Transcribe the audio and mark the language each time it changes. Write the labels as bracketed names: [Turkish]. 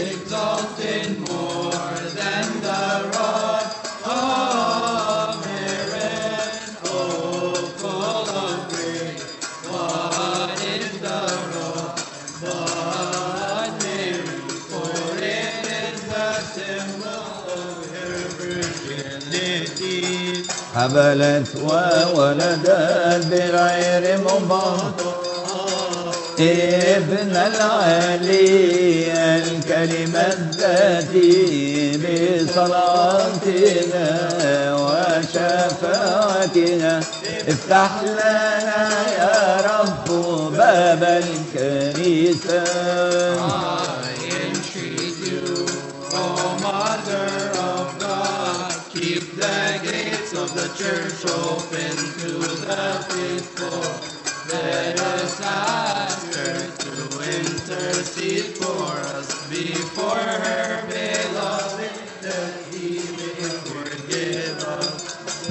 [English] exalted more than the rod of Aaron, O full of grace. What is the rod but Mary? For it is the symbol of her virginity. [Arabic] حبلت وولدت بغير مبطل ابن العلي الكلمة ذاتي بصلاتنا وشفاعتنا افتح لنا يا رب باب الكنيسة. [English] I entreat you, O Mother of God, keep the gates of the church open to the faithful. Let us ask her to intercede for us before her beloved, that he may forgive us.